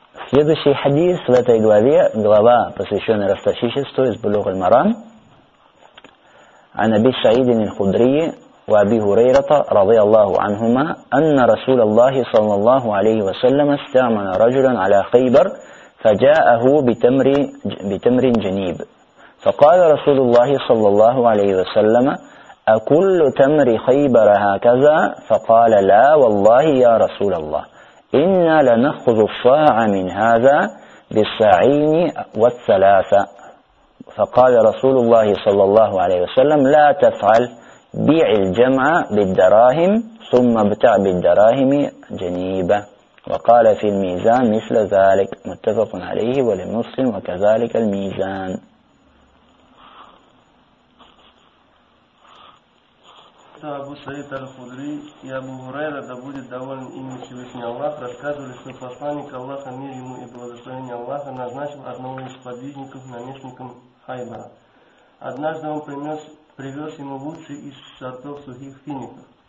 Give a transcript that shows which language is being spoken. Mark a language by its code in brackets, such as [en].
[ru] Следующий хадис в этой главе, глава, посвященная ростовщичеству, из Булугуль Марам. [ar] عن أبي سعيد الخدري وأبي هريرة رضي الله عنهما أن رسول الله صلى الله عليه وسلم استعمل رجلا على خيبر فجاءه بتمر جنيب فقال رسول الله صلى الله عليه وسلم أكل تمر خيبر هكذا فقال لا والله يا رسول الله إنا لنأخذ الصاع من هذا بالساعين والثلاثة فقال رسول الله صلى الله عليه وسلم لا تفعل بيع الجمع بالدراهم ثم ابتع بالدراهم جنيبا وقال في الميزان مثل ذلك متفق عليه ولمسلم وكذلك الميزان [ru] Абу Саид аль-Худри и Абу Хурайра, да будет доволен ими Всевышний Аллах, рассказывали, что посланник Аллаха, мир ему и благословение Аллаха, назначил одного из подвижников наместником Хайбара. Однажды он привез ему лучший из сортов сухих фиников.